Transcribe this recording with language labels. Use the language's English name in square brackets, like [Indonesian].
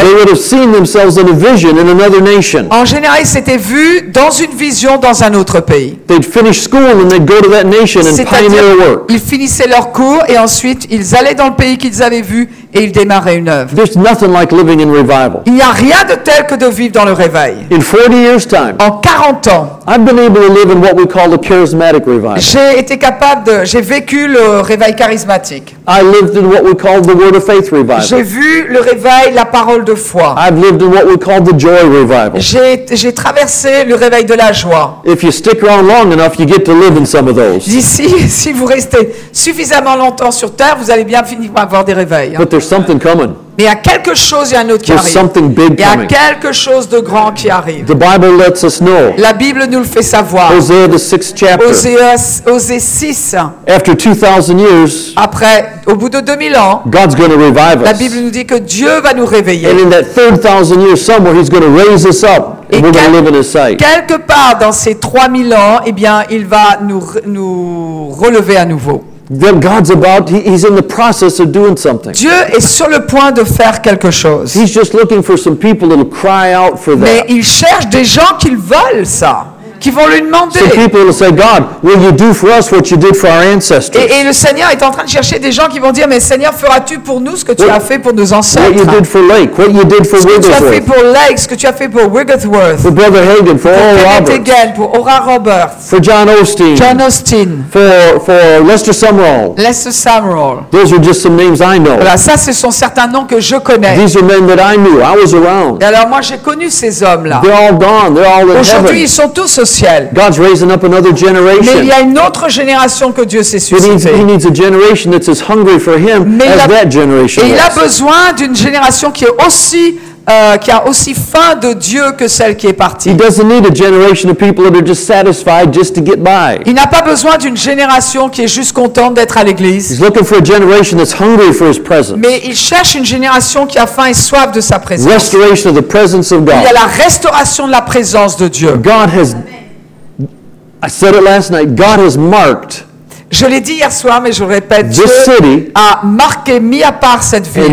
[English] They would have seen themselves in a vision in another nation. [French] En général, ils s'étaient vus dans une vision dans un autre pays. [English] They'd finish school and they'd go to that nation and pioneer work. [French] Ils finissaient leur cours et ensuite ils allaient dans le pays qu'ils avaient vu. Et il démarrait une œuvre. [English] There's nothing like living in revival. [French] Il n'y a rien de tel que de vivre dans le réveil. [English] In 40 years time, [French] en 40 ans, [English] I've been able to live in what we call a charismatic revival. [French] J'ai vécu le réveil charismatique. [English] I lived in what we call the word of faith revival. [French] J'ai vu le réveil, la parole de foi. [English] I've lived in what we call the joy revival. [French] J'ai traversé le réveil de la joie. [English] If you stick around long enough, you get to live in some of those. [French] Si vous restez suffisamment longtemps sur terre, vous allez bien finir par avoir des réveils. [English] Hein. There's something coming. [French] Mais il y a quelque chose, il y a un autre qui [English] There's [French] arrive. [English] Something big coming. [French] Il y a quelque chose de grand qui arrive. [English] The Bible lets us know. [French] La Bible nous le fait savoir. [English] Hosea, the sixth chapter. [French] Hosea 6. [English] After 2000 years. [French] Après, au bout de 2000 ans. [English] God's going to revive us. [French] La Bible nous dit que Dieu va nous réveiller. [English] And in that 3000 years somewhere, He's going to raise us up. [French] Quelque part dans ces 3000 ans, eh bien, il va nous relever à nouveau. [English] Then God's about. He's in the process of doing something. [French] Dieu est sur le point de faire quelque chose. [English] He's just looking for some people that will cry out for that. [French] Mais il cherche des gens qui veulent ça, qui vont lui demander. [English] Some people will say, God, will you do for us what you did for our ancestors? [French] Et le Seigneur est en train de chercher des gens qui vont dire, mais Seigneur, feras-tu pour nous ce que tu as fait pour nos ancêtres? [English] What you did for Lake? What you did for Wigglesworth? [French] Ce que tu as fait pour Lake? Ce que tu as fait pour Wigglesworth? [English] For Brother Hagen, for Oral Roberts. [French] Hagen, pour Oral Roberts. [English] For John Osteen. [French] John Osteen. [English] For Lester Sumrall. [French] Lester Sumrall. [English] Those are just some names I know. [French] Voilà, ça, ce sont certains noms que je connais. [English] These are men that I knew. I was around. [French] Et alors moi, j'ai connu ces hommes-là. [English] They're all gone. They're all in heaven. [French] Aujourd'hui, ils sont tous [English] God's raising up another generation. [French] Mais il y a une autre génération que Dieu s'est suscité. [English] He needs a generation that's as hungry for Him as that generation. [French] Et il a besoin d'une génération qui est aussi qui a aussi faim de Dieu que celle qui est partie. [English] He doesn't need a generation of people that are just satisfied just to get by. [French] Il n'a pas besoin d'une génération qui est juste contente d'être à l'église. [English] He's looking for a generation that's hungry for His presence. [French] Mais il cherche une génération qui a faim et soif de sa présence. [English] Restoration of the presence of God. [French] Il y a la restauration de la présence de Dieu. [English] God has, I said it last night. God has marked. [French] Je l'ai dit hier soir, mais je répète, [English] this [French] Dieu [English] city, [French] a marqué, mis à part cette ville,